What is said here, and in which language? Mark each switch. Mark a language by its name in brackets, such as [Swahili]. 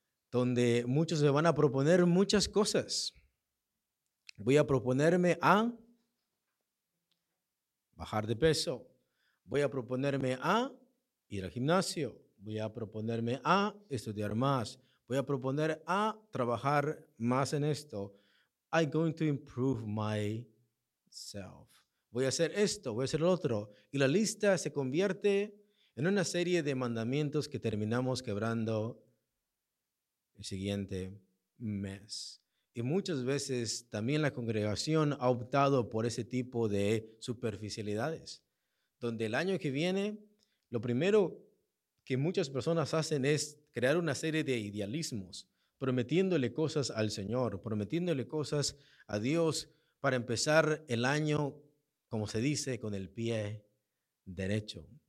[Spanish] Donde muchos se van a proponer muchas cosas. Voy a proponerme a bajar de peso. Voy a proponerme a ir al gimnasio. Voy a proponerme a estudiar más. Voy a proponer a trabajar más en esto. [English] I'm going to improve myself. [Spanish] Voy a hacer esto, voy a hacer lo otro. Y la lista se convierte en una serie de mandamientos que terminamos quebrando el siguiente mes. Y muchas veces también la congregación ha optado por ese tipo de superficialidades, donde el año que viene, lo primero que muchas personas hacen es crear una serie de idealismos, prometiéndole cosas al Señor, prometiéndole cosas a Dios para empezar el año, como se dice, con el pie derecho.